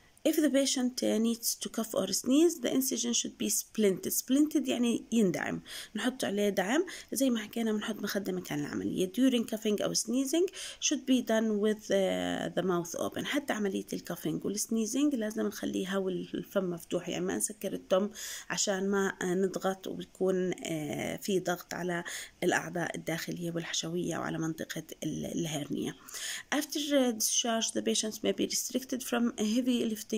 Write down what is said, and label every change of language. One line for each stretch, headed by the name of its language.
English: If the patient needs to cough or sneeze, the incision should be splinted.
Arabic: Splinted يعني يندعم، نحط عليه دعم زي ما حكينا بنحط مخدة مكان العملية.
English: During coughing or sneezing should be done with the mouth open.
Arabic: حتى عملية الكافينج والسنيزينج لازم نخليها والفم مفتوح، يعني ما نسكر التم عشان ما نضغط ويكون في ضغط على الأعضاء الداخلية والحشوية وعلى منطقة الهرنية.
English: After discharge the patients may be restricted from heavy lifting